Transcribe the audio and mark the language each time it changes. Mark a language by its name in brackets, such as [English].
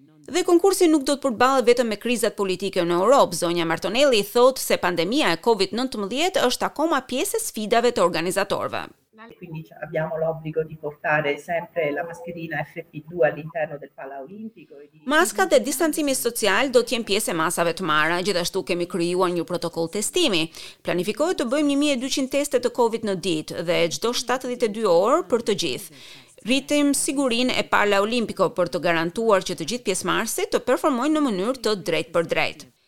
[Albanian] Dhe konkursi nuk do të përballet vetëm me krizat politike në Europë. Zonja Martonelli thotë se pandemia e COVID-19 është akoma pjesë e sfidave të organizatorëve. [Italian] Quindi abbiamo l'obbligo di portare sempre la mascherina FFP2 all'interno del Palaolimpico. [Albanian] Maska dhe distancimi social do të jenë pjesë e masave të marra. Gjithashtu kemi krijuar një protokoll testimi. Planifikohet të bëjmë 1200 teste të COVID në ditë dhe çdo 72 orë për të gjithë. Rritim sigurinë e Paralimpiko për të garantuar që të gjithë pjesëmarrësit të performojnë në mënyrë të drejtpërdrejtë.